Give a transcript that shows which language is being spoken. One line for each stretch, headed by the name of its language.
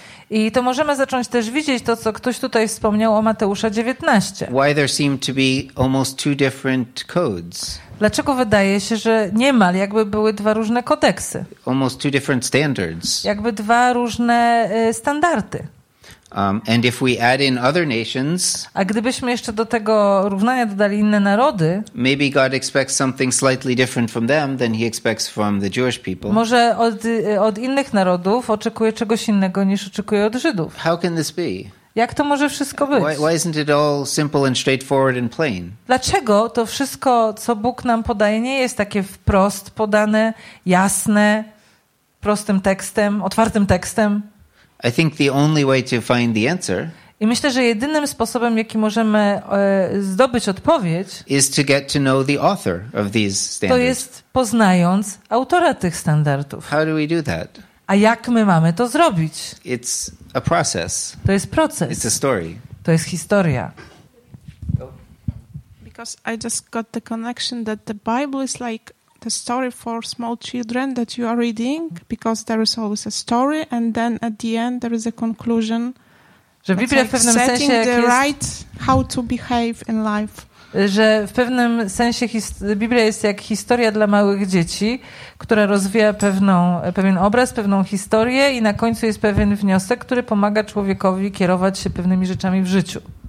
Polish: I to możemy zacząć też widzieć to, co ktoś tutaj wspomniał o Mateusza 19.
English: Why there seem to be almost two different codes?
Polish: Dlaczego wydaje się, że niemal jakby były dwa różne kodeksy?
English: Almost two different standards.
Polish: Jakby dwa różne standardy.
English: And if we add in other nations,
Polish: a gdybyśmy jeszcze do tego równania dodali inne narody,
English: maybe God expects something slightly different from them than he expects from the Jewish people.
Polish: Może od innych narodów oczekuje czegoś innego niż oczekuje od Żydów.
English: How can this be?
Polish: Jak to może wszystko być?
English: Why isn't it all simple and straightforward and plain?
Polish: Dlaczego to wszystko, co Bóg nam podaje, nie jest takie wprost podane, jasne, prostym tekstem, otwartym tekstem?
English: I think the only way to find the answer.
Polish: I myślę, że jedynym sposobem, jaki możemy zdobyć odpowiedź,
English: is to get to know the author of these standards.
Polish: To jest poznając autora tych standardów.
English: How do we do that?
Polish: A jak my mamy to zrobić?
English: It's a process.
Polish: To jest proces.
English: It's a story.
Polish: To jest historia.
English: Because I just got the connection that the Bible is like the story for small children that you are reading, because there is always a story, and then at the end there is a conclusion.
Polish: Że Biblia w pewnym sensie
English: setting the right how to behave in life.
Polish: Że w pewnym sensie Biblia jest jak historia dla małych dzieci, która rozwija pewien obraz, pewną historię, i na końcu jest pewien wniosek, który pomaga człowiekowi kierować się pewnymi rzeczami w życiu.